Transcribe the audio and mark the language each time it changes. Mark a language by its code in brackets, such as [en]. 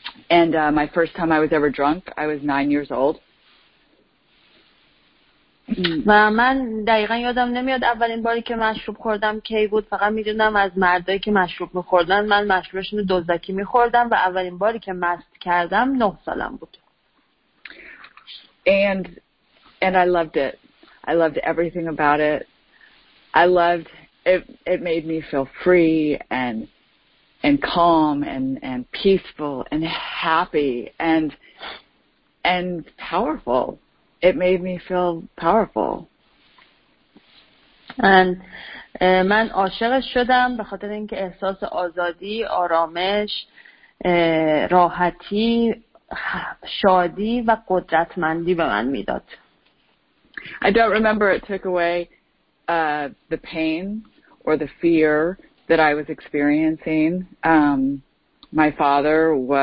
[en] And my first time I was ever drunk, I was 9 years old. [fa] و من دقیقا یادم نمیاد اولین باری که مشروب خوردم کی بود. فقط میدونم از مردایی که مشروب میخوردن من مشروبشون رو دزدکی میخوردم و اولین باری که مست کردم 9 سالم بود. [en] And I loved it. I loved everything about it. I loved it. It made me feel free and calm and peaceful and happy and powerful. It made me feel powerful. And [fa] من عاشقش شدم به خاطر اینکه احساس آزادی، آرامش، راحتی، شادی و قدرتمندی به من میداد. I don't remember it took away the pain or the fear that I was experiencing. My father